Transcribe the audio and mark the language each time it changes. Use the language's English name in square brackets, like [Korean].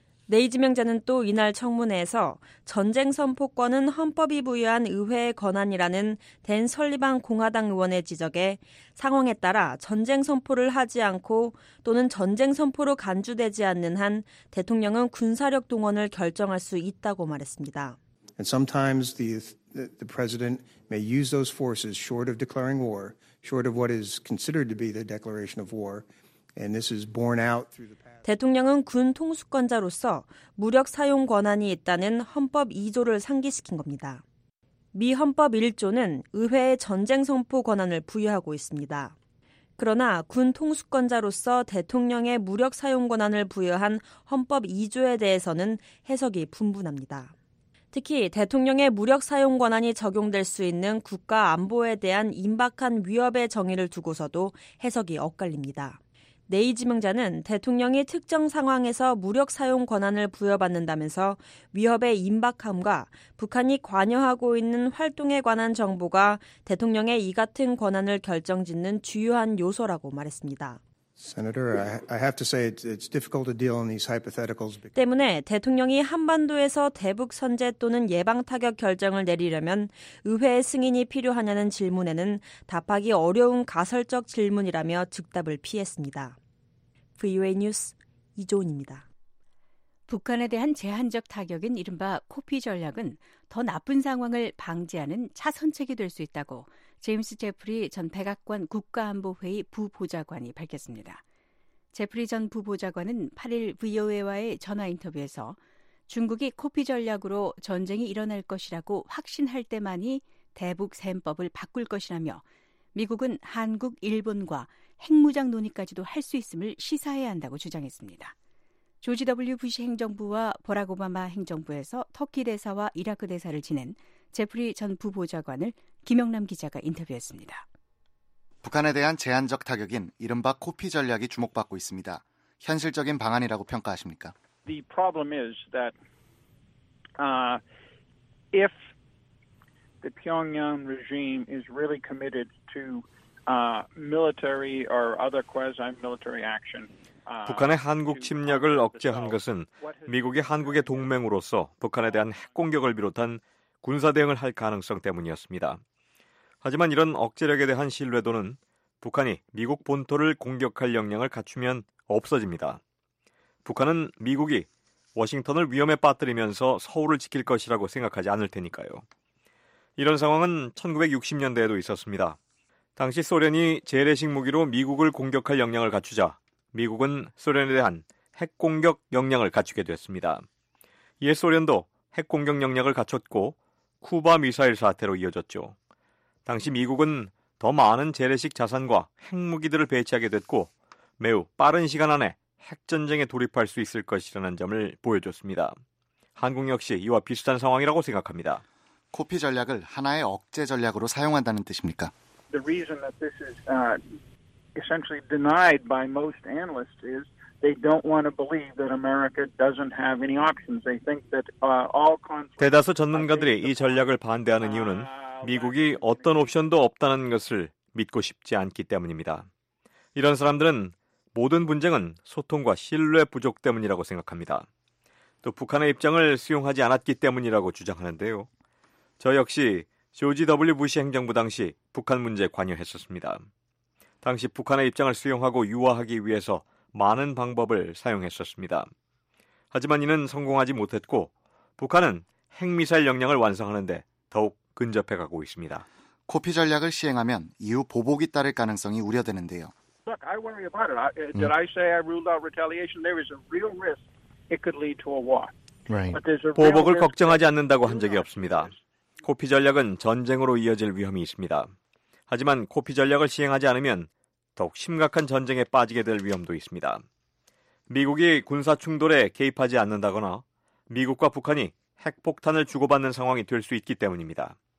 [Korean] 네이 지명자는 또 이날 청문회에서 전쟁 선포권은 헌법이 부여한 의회의 권한이라는 댄 설리반 공화당 의원의 지적에 상황에 따라 전쟁 선포를 하지 않고 또는 전쟁 선포로 간주되지 않는 한 대통령은 군사력 동원을 결정할 수 있다고 말했습니다. [English] And sometimes the president may use those forces short of declaring war, short of what is considered to be the declaration of war, and this is borne out through the [Korean] 대통령은 군 통수권자로서 무력 사용 권한이 있다는 헌법 2조를 상기시킨 겁니다. 미 헌법 1조는 의회에 전쟁 선포 권한을 부여하고 있습니다. 그러나 군 통수권자로서 대통령의 무력 사용 권한을 부여한 헌법 2조에 대해서는 해석이 분분합니다. 특히 대통령의 무력 사용 권한이 적용될 수 있는 국가 안보에 대한 임박한 위협의 정의를 두고서도 해석이 엇갈립니다. 네이 지명자는 대통령이 특정 상황에서 무력 사용 권한을 부여받는다면서 위협의 임박함과 북한이 관여하고 있는 활동에 관한 정보가 대통령의 이 같은 권한을 결정짓는 주요한 요소라고 말했습니다. [English] Senator, I have to say it's difficult to deal in these hypotheticals. [Korean] 때문에 대통령이 한반도에서 대북 선제 또는 예방 타격 결정을 내리려면 의회의 승인이 필요하냐는 질문에는 답하기 어려운 가설적 질문이라며 즉답을 피했습니다. VOA 뉴스 이조은입니다. 북한에 대한 제한적 타격인 이른바 코피 전략은 더 나쁜 상황을 방지하는 차선책이 될 수 있다고 제임스 제프리 전 백악관 국가안보회의 부보좌관이 밝혔습니다. 제프리 전 부보좌관은 8일 VOA와의 전화 인터뷰에서 중국이 코피 전략으로 전쟁이 일어날 것이라고 확신할 때만이 대북 셈법을 바꿀 것이라며 미국은 한국, 일본과 핵무장 논의까지도 할 수 있음을 시사해야 한다고 주장했습니다. 조지 W. 부시 행정부와 보락 오바마 행정부에서 터키 대사와 이라크 대사를 지낸 제프리 전 부보좌관을 김영남 기자가 인터뷰했습니다. 북한에 대한 제한적 타격인 이른바 코피 전략이 주목받고 있습니다. 현실적인 방안이라고 평가하십니까? [English] The problem is that if the Pyongyang regime is really committed to military or other quasi-military action, [Korean] 북한의 한국 침략을 억제한 것은 미국이 한국의 동맹으로서 북한에 대한 핵공격을 비롯한 군사 대응을 할 가능성 때문이었습니다. 하지만 이런 억제력에 대한 신뢰도는 북한이 미국 본토를 공격할 역량을 갖추면 없어집니다. 북한은 미국이 워싱턴을 위험에 빠뜨리면서 서울을 지킬 것이라고 생각하지 않을 테니까요. 이런 상황은 1960년대에도 있었습니다. 당시 소련이 재래식 무기로 미국을 공격할 역량을 갖추자 미국은 소련에 대한 핵공격 역량을 갖추게 됐습니다. 이에 소련도 핵공격 역량을 갖췄고 쿠바 미사일 사태로 이어졌죠. 당시 미국은 더 많은 재래식 자산과 핵무기들을 배치하게 됐고 매우 빠른 시간 안에 핵전쟁에 돌입할 수 있을 것이라는 점을 보여줬습니다. 한국 역시 이와 비슷한 상황이라고 생각합니다. 코피 전략을 하나의 억제 전략으로 사용한다는 뜻입니까? [English] The reason that this is essentially denied by most analysts is they don't want to believe that America doesn't have any options. They think that all conflict. [Korean] 대다수 전문가들이 이 전략을 반대하는 이유는 미국이 어떤 옵션도 없다는 것을 믿고 싶지 않기 때문입니다. 이런 사람들은 모든 분쟁은 소통과 신뢰 부족 때문이라고 생각합니다. 또 북한의 입장을 수용하지 않았기 때문이라고 주장하는데요. 저 역시 조지 W. 부시 행정부 당시 북한 문제에 관여했었습니다. 당시 북한의 입장을 수용하고 유화하기 위해서 많은 방법을 사용했었습니다. 하지만 이는 성공하지 못했고 북한은 핵미사일 역량을 완성하는데 더욱 근접해가고 있습니다. 코피 전략을 시행하면 이후 보복이 따를 가능성이 우려되는데요. [English] Look, I worry about it. Did I say I ruled out retaliation? There is a real risk it could lead to a war. Right. [Korean] 보복을 걱정하지 않는다고 한 적이 없습니다. 코피 전략은 전쟁으로 이어질 위험이 있습니다. 하지만 코피 전략을 시행하지 않으면 더욱 심각한 전쟁에 빠지게 될 위험도 있습니다. 미국이 군사 충돌에 개입하지 않는다거나 미국과 북한이 핵폭탄을 주고받는 상황이 될 수 있기 때문입니다.